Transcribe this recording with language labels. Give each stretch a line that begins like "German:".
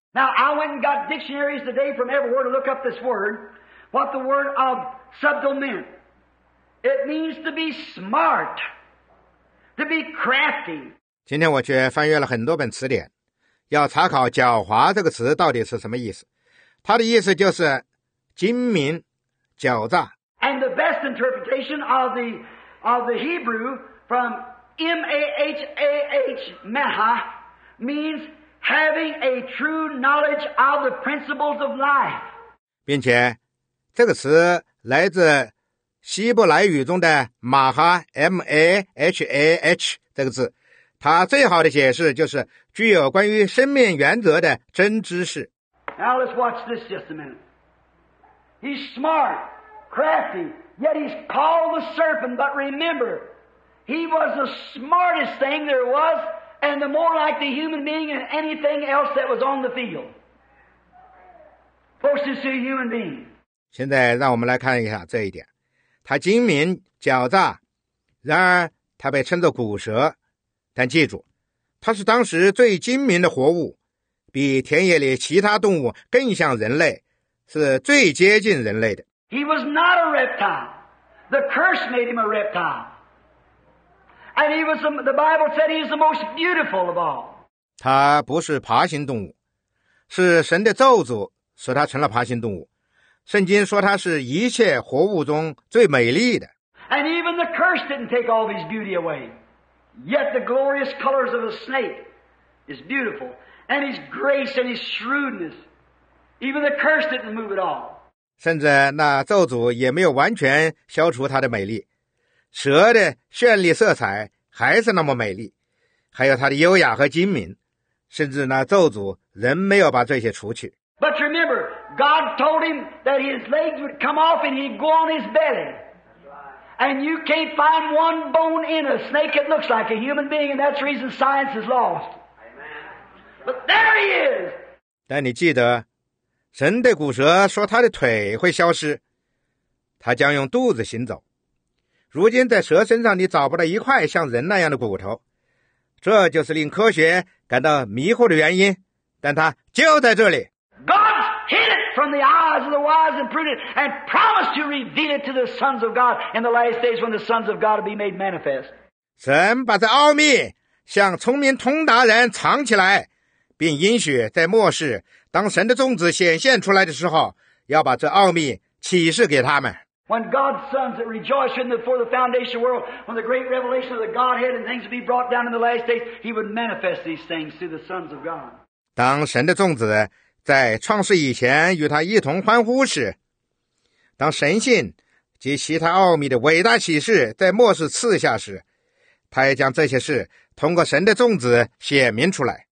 English: Now I went and got dictionaries today from everywhere to look up this word, what the word of subtle meant. It means to be smart, to be crafty.
Chinese: 今天我却翻阅了很多本词典，要查考狡猾这个词到底是什么意思。它的意思就是精明、狡诈。
English: And the best interpretation of the Hebrew from M-A-H-A-H, meha, means having a true knowledge of the principles of life.
Chinese: 并且这个词来自希伯来语中的马哈 M-A-H-A-H 这个字。它最好的解释就是具有关于生命原则的真知识。
English: Now let's watch this just a minute. He's smart, crafty, yet he's called the serpent, but remember, he was the smartest thing there was, and the more like the human being than anything else that was on the field. Closest to a human being.
Chinese: 现在让我们来看一下这一点。他精明、狡诈，然而他被称作古蛇。但记住，它是当时最精明的活物，比田野里其他动物更像人类，是最接近人类的。
English: He was not a reptile. The curse made him a reptile. And he was, the Bible said he is the most beautiful of all.
Chinese: 它不是爬行动物，是神的咒诅使它成了爬行动物。圣经说它是一切活物中最美丽的。
English: And even the curse didn't take all of his beauty away. Yet the glorious colors of a snake is beautiful, and his grace and his shrewdness, even the curse didn't move at all.
Chinese: 甚至那咒诅也没有完全消除它的美丽，蛇的绚丽色彩还是那么美丽，还有它的优雅和精明，甚至那咒诅仍没有把这些除去。
English: But remember, God told him that his legs would come off and he'd go on his belly. And you can't find one bone in a snake that looks like a human being, and that's the reason science is lost. But there he is!
Chinese: 但你记得，神对古蛇说他的腿会消失，他将用肚子行走。如今在蛇身上你找不到一块像人那样的骨头，这就是令科学感到迷惑的原因，但他就在这里。
English: God hit it! from the eyes of the wise and prudent and promised to reveal it to the sons of God in the last days when the sons of God will be made manifest.
Chinese: 神把这奥秘向聪明通达人藏起来，并应许在末世当神的种子显现出来的时候，要把这奥秘启示给他们。
English: When God's sons that rejoice in the before the foundation world, when the great revelation of the Godhead and things will be brought down in the last days, He would manifest these things through the sons of God.
Chinese: 当神的众子在创世以前与他一同欢呼时，当神性及其他奥秘的伟大启示在末世赐下时，他也将这些事通过神的众子显明出来。